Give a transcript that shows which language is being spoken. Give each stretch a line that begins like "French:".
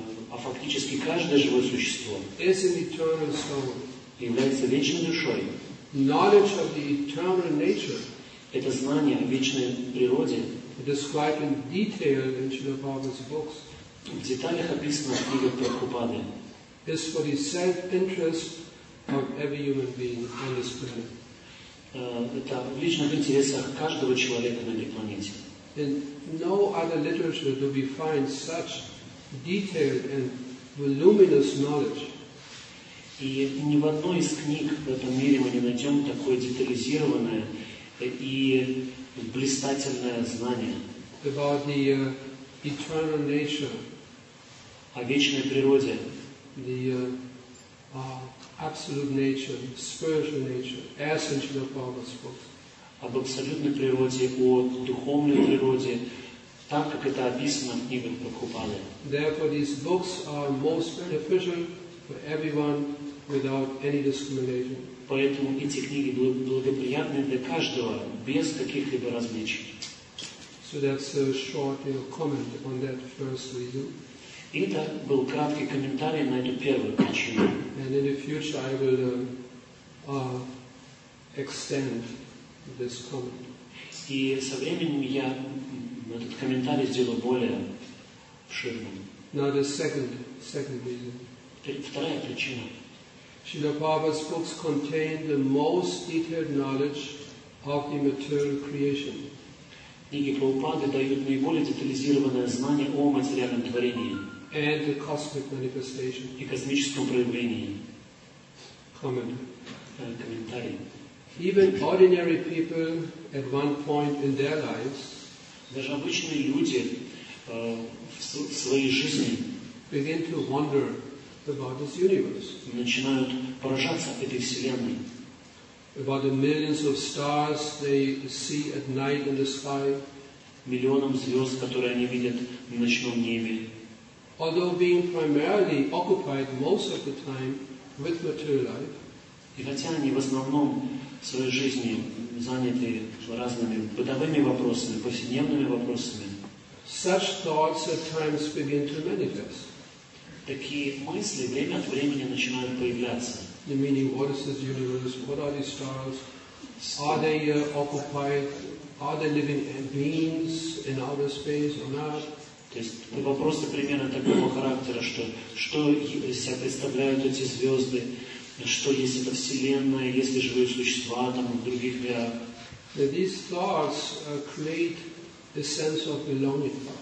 Russian: а фактически каждое живое существо,
English: is an eternal soul,
Russian: является вечной душой,
English: knowledge of the eternal nature,
Russian: это знание о вечной природе,
English: described in detail in Śrīla Prabhupāda's books,
Russian: в деталях описано в книгах Прабхупады.
English: Is for the self-interest of every human being on this planet.
Russian: Это в личных интересах каждого человека на этой планете.
English: In no other literature do we find such detailed and voluminous knowledge.
Russian: И ни в одной из книг в этом мире мы не найдем такое детализированное и блистательное знание.
English: About the eternal nature.
Russian: О вечной природе.
English: The absolute nature, the spiritual nature, essence of Prabhupada's books.
Russian: Об абсолютной природе, о духовной природе, так как это описано в книгах Прабхупады.
English: Therefore, these books are most beneficial for everyone without any discrimination.
Russian: Поэтому эти книги благоприятны для каждого, без каких-либо различий.
English: So that's a short comment on that first reason.
Russian: И это был краткий комментарий на эту первую причину.
English: And in the future I will extend this comment.
Russian: И со временем я этот комментарий сделаю более обширным.
English: Now the second reason.
Russian: Вторая причина.
English: Śrīla Prabhupāda's books contain the most detailed knowledge of the material creation.
Russian: Книги Прабхупады дают наиболее детализированное знание о материальном творении.
English: And the cosmic manifestation.
Russian: И космическом проявлении.
English: Comment.
Russian: Комментарий.
English: Even ordinary people at one point in their lives.
Russian: Даже обычные люди в своей жизни.
English: Begin to wonder about this universe.
Russian: Начинают поражаться этой вселенной.
English: About the millions of stars they see at night in the sky.
Russian: Миллионам звезд, которые они видят в ночном небе.
English: although being primarily occupied most of the time with material life,
Russian: и хотя они в основном в своей жизни заняты разными бытовыми вопросами, повседневными вопросами,
English: such thoughts at times begin to manifest.
Russian: Такие мысли время от времени начинают появляться.
English: The meaning, what is this universe? What are these stars? Are they occupied? Are they living beings in outer space or not?
Russian: То есть вопросы примерно такого характера, что из себя представляют эти звезды, что есть эта вселенная, есть ли живые существа там в других мирах.
English: That these thoughts create a sense of belonging.